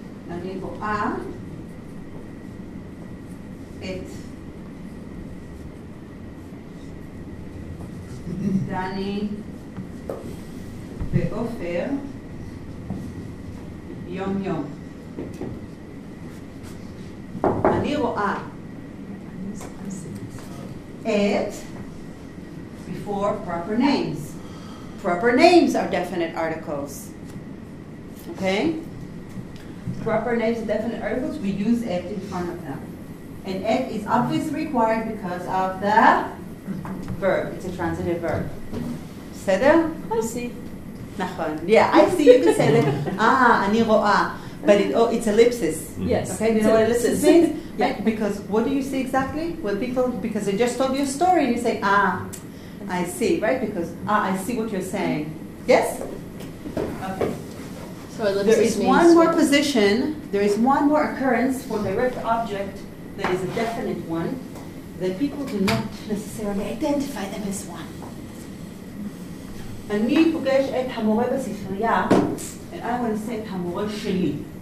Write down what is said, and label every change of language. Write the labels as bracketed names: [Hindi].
[Hebrew] אני רואה את דני ואופר יום יום. אני רואה את [English] before proper names. Proper names are definite articles. Okay? Proper names and definite articles, we use et in front of them. And et is obviously required because of the verb. It's a transitive verb. Seda? I see. Nachon. Yeah, I see. You can say that. Ah, [Hebrew] ani ro'a. [English] But it's ellipsis. Yes. Okay, you know what ellipsis means? Yeah. Because what do you see exactly? Well, people, because they just told you a story and you say, ah, I see, right? Because, ah, I see what you're saying. Yes? Okay. So there is one more position, there is one more occurrence for direct object that is a definite one that people do not necessarily identify them as one. [Hebrew] אני פוגש את המורה בספרייה, [English] and I want to say [Hebrew] את המורה שלי.